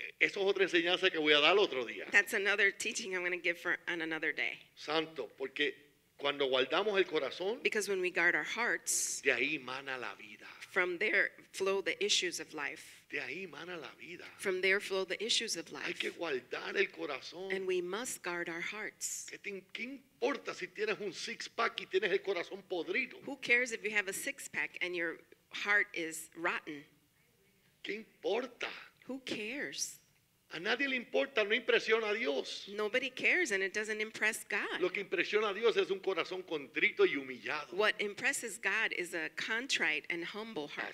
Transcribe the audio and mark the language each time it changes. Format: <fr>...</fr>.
<es>Eso es otra enseñanza que voy a dar otro día.</es> <en>That's another teaching I'm going to give on another day.</en> <es>Santo, porque cuando guardamos el corazón,</es> <en>because when we guard our hearts,</en> <es>de ahí mana la vida.</es> <en>From there flow the issues of life.</en> <es>De ahí mana la vida.</es> <en>From there flow the issues of life.</en> <es>Hay que guardar el corazón.</es> <en>And we must guard our hearts.</en> <es>¿Qué importa si tienes un six pack y tienes el corazón podrido?</es> <en>Who cares if you have a six pack and your heart is rotten?</en> <es>¿Qué importa?</es> <en>Who cares?</en> <es>A nadie le importa, no impresiona a Dios.</es> <en>Nobody cares and it doesn't impress God.</en> <es>Lo que impresiona a Dios es un corazón contrito y humillado.</es> <en>What impresses God is a contrite and humble heart.</en>